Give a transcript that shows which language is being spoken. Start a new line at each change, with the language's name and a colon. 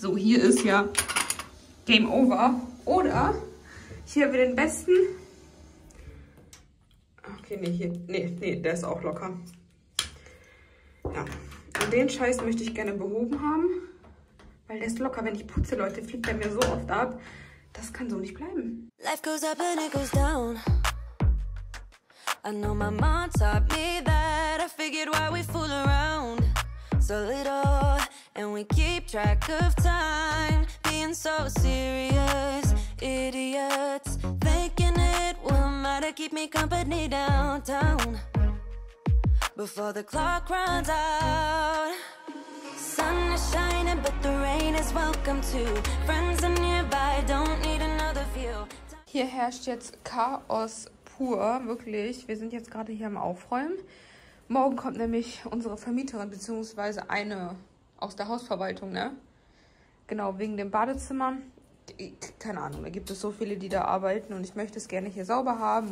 German: So, hier ist ja Game over. Oder hier haben wir den besten. Okay, nee, hier. Nee, der ist auch locker. Ja. Und den Scheiß möchte ich gerne behoben haben. Weil der ist locker. Wenn ich putze, Leute, fliegt der mir so oft ab. Das kann so nicht bleiben.
English: Life goes up and it goes down. I know my mom taught me that. I figured why we fool around so little. And we keep track of time. So serious, idiots, thinking it will matter, keep me company downtown, before the clock runs out. Sun is shining, but the rain is welcome too, friends are nearby, don't need another view.
German: Hier herrscht jetzt Chaos pur, wirklich, wir sind jetzt gerade hier am Aufräumen. Morgen kommt nämlich unsere Vermieterin, beziehungsweise eine aus der Hausverwaltung, ne? Genau, wegen dem Badezimmer. Keine Ahnung, da gibt es so viele, die da arbeiten und ich möchte es gerne hier sauber haben.